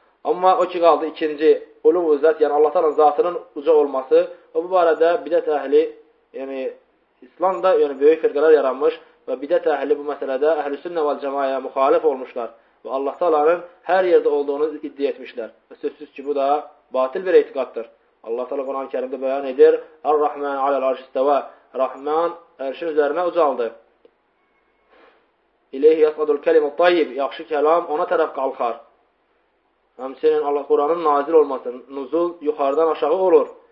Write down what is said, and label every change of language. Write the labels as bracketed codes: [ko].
[az] Amma o ki qaldı ikinci uluv zat, yəni Allah Taala'nın zatının uca olması. O bu barədə bidət əhli, yəni İslamda yəni böyük firqələr yaranmış və bidət əhli bu məsələdə Əhlüsünnə və Cəmaəyə müxalif olmuşlar və Allah Taala'nın hər yerdə olduğunu iddia etmişlər. Və sözsüz ki bu da batil bir etiqaddır. Allah Taala Quran-ı Kərimdə bəyan edir: [ar] "Ər-Rəhman aləl-arşistəvə", [az] Rəhman ərşin üzərinə ucaldı. [ar] "İleyhi yasadul kəlimut-tayyib", [az] yaxşı kəlam ona tərəf qalxar. Həmçinin Allah Quranın nazil olması, nuzul yuxarıdan aşağı olur.